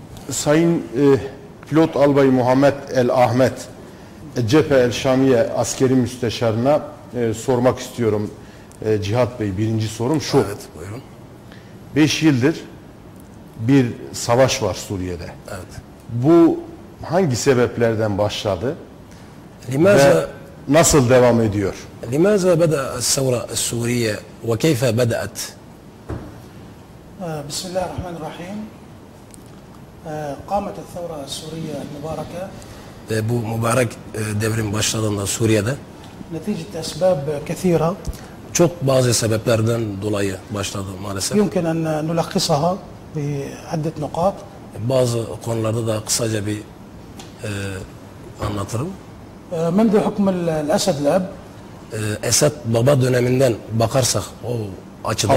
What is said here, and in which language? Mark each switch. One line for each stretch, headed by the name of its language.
Turkish: Sayın Pilot Albay Muhammed El Ahmet, Cephe El Şamiye askeri müsteşarına sormak istiyorum. Cihat Bey, birinci sorum şu. Evet, buyurun. 5 yıldır bir savaş var Suriye'de. Evet. Bu hangi sebeplerden başladı?
Arabic: لماذا نصل دوام ديور لماذا بدأ الثورة السورية وكيف بدأت بسم الله الرحمن الرحيم قامت الثورة السورية المباركة
Turkish: بو مبارك devrim başladığında Suriye'de
Arabic: نتيجة أسباب كثيرة
Turkish: çok bazı sebeplerden dolayı başladı maalesef
Arabic: يمكن أن نلخصها بعدة نقاط
Turkish: bazı konularda da kısaca bir anlatırım
Arabic: منذ حكم الأسد الأب
Turkish: أسد بابا döneminden bakarsak o açıdan